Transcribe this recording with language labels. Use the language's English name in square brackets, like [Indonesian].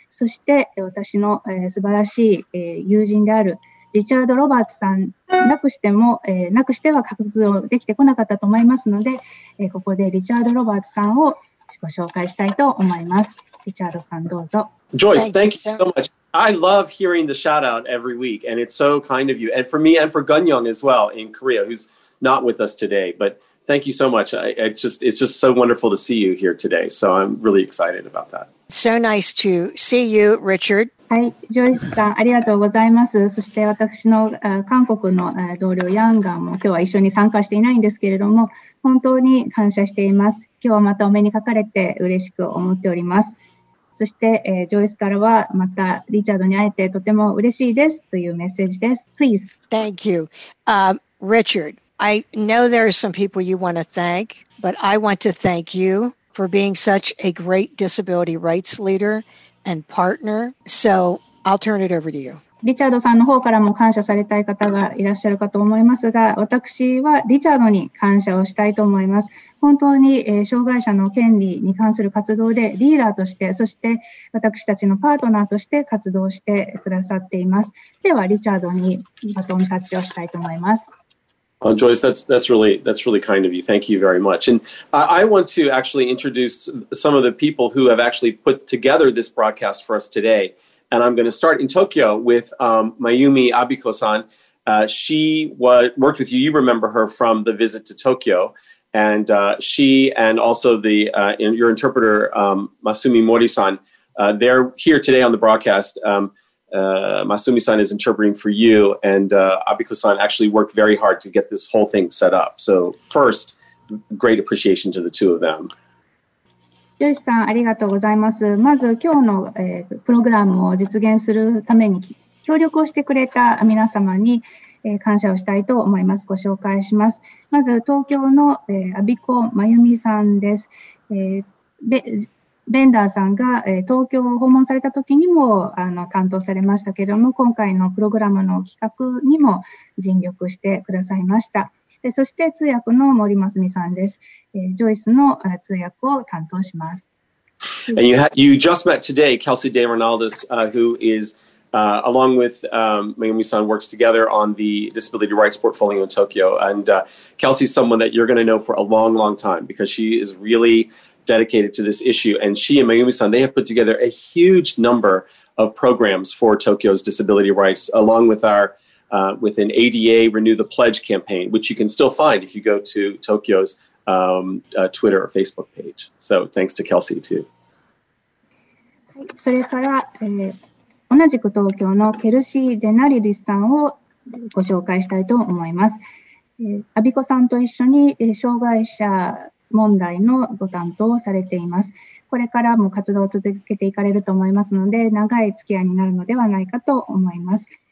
[Japanese] そして私の素晴らしい友人であるリチャード・ロバーツさんなくしても、なくしては活動できてこなかったと思いますので、ここでリチャード・ロバーツさんをご紹介したいと思います。リチャードさんどうぞ。 [English] Joyce, thank you so much. I love hearing the shout out every week, and it's so kind of you. And for me and for Gunyoung as well in Korea, who's not with us today. But thank you so much. It's just so wonderful to see you here today. So I'm really excited about that. So nice to see you, Richard. [Japanese] はい、ジョイスさん、ありがとうございます。そして私の韓国の同僚ヤンガンも今日は一緒に参加していないんですけれども、本当に感謝しています。今日はまたお目にかかれて嬉しく思っております。そして、ジョイスからはまたリチャードに会えてとても嬉しいですというメッセージです。 [English] Please. Thank you. Richard, I know there are some people you want to thank, but I want to thank you for being such a great disability rights leader and partner. So I'll turn it over to you. [Japanese] リチャードさんの方からも感謝されたい方がいらっしゃるかと思いますが、私はリチャードに感謝をしたいと思います。本当に障害者の権利に関する活動でリーダーとして、そして私たちのパートナーとして活動してくださっています。ではリチャードにバトンタッチをしたいと思います。 [English] Joyce, that's really kind of you. Thank you very much. And I want to actually introduce some of the people who have actually put together this broadcast for us today. And I'm going to start in Tokyo with Mayumi Abiko-san. She worked with you. You remember her from the visit to Tokyo. And she and also the your interpreter, Masumi Mori-san, they're here today on the broadcast. Masumi-san is interpreting for you, and Abiko-san actually worked very hard to get this whole thing set up. So first, great appreciation to the two of them. [Japanese] Joyce さん、ありがとうございます。まず今日の、プログラムを実現するために協力をしてくれた皆様に、感謝をしたいと思います。ご紹介します。まず東京の、アビコ・マユミさんです。ベンダーさんが、東京を訪問された時にも担当されましたけれども、今回のプログラムの企画にも尽力してくださいました。でそして通訳の森真澄さんです。ジョイスの通訳を担当します。 [English] And you just met today Kelsey De Ronaldis, who is, along with, Mayumi-san, works together on the disability rights portfolio in Tokyo. And, Kelsey is someone that you're going to know for a long, long time because she is really dedicated to this issue. And she and Mayumi-san, they have put together a huge number of programs for Tokyo's disability rights, along with our with an ADA Renew the Pledge campaign, which you can still find if you go to Tokyo's Twitter or Facebook page. So thanks to Kelsey too. [Japanese] それから、同じく東京のケルシー・デナリリスさんをご紹介したいと思います。アビコさんと一緒に障害者問題のご担当をされています。これからも活動を続けていかれると思いますので、長い付き合いになるのではないかと思います。